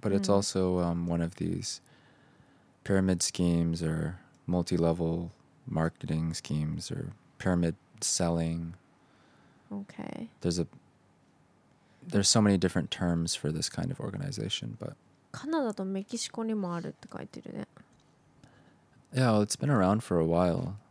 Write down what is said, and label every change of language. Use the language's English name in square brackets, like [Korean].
[English] But it's also one of these pyramid schemes or multi-level marketing schemes or pyramid selling. Okay. There's so many different terms for this kind of organization, but... [Japanese] カナダとメキシコにもあるって書いてるね。 [English] Yeah, well, it's been around for a while.